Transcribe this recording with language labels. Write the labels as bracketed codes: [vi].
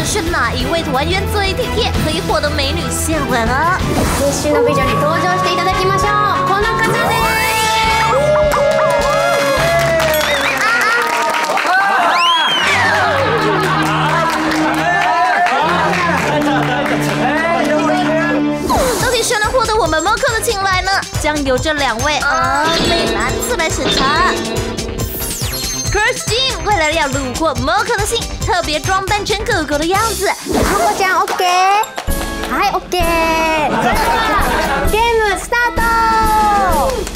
[zh] 哪一位团员最体贴，可以获得美女下吻啊？ [ja] 今週の美女に登場していただきましょう。この方です。あ、 [zh] 到底谁能获得我们猫客的青睐呢？将由这两位啊美男子来审查。 Crush Jim 为了要虏获 Mocha 的心，特别装扮成狗狗的样子。好，我讲 [en] OK， 嗨 OK， Game Start，